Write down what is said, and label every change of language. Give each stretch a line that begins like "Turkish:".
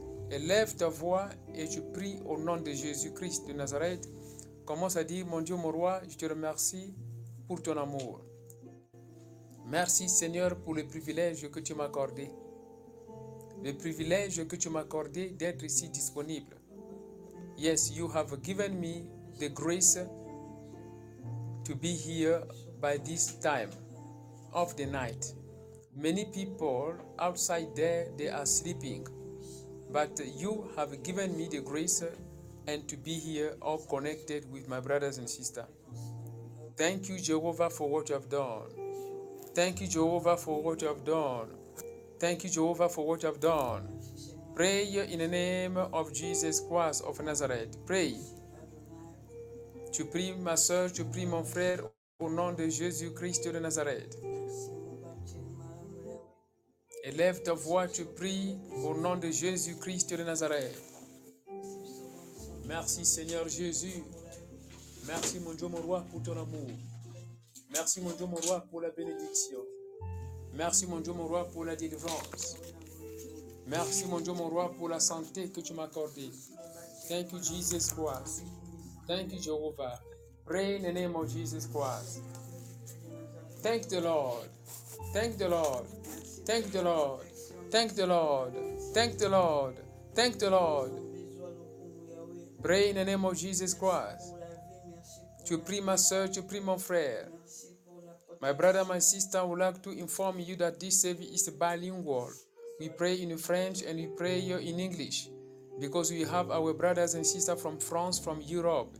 French: Élève ta voix et je prie au nom de Jésus-Christ de Nazareth. Commence à dire, mon Dieu, mon roi, je te remercie pour ton amour. Merci, Seigneur, pour le privilège que tu m'as accordé. Le privilège que tu m'as accordé d'être ici disponible.
English: Yes, you have given me the grace to be here by this time of the night. Many people outside there, they are sleeping, but you have given me the grace and to be here all connected with my brothers and sisters. Thank you, Jehovah, for what you have done. Thank you, Jehovah, for what you have done. Thank you, Jehovah, for what you have done. Pray in the name of Jesus Christ of Nazareth. Pray.
French: Tu pries, ma soeur, tu pries, mon frère, au nom de Jésus-Christ de Nazareth. Élève ta voix, tu pries, au nom de Jésus-Christ de Nazareth. Merci, Seigneur Jésus. Merci, mon Dieu, mon roi, pour ton amour. Merci, mon Dieu, mon roi, pour la bénédiction. Merci, mon Dieu, mon roi, pour la délivrance. Merci, mon Dieu, mon roi, pour la santé que tu m'as accordée.
English: Thank you, Jesus Christ. Thank you, Jehovah. Pray in the name of Jesus Christ. Thank the Lord. Thank the Lord. Thank the Lord. Thank the Lord. Thank the Lord. Thank the Lord. Pray in the name of Jesus Christ.
French: Tu pries, ma soeur, tu pries, mon frère.
English: My brother, my sister, would like to inform you that this service is bilingual. We pray in French and we pray in English. Because we have our brothers and sisters from France, from Europe.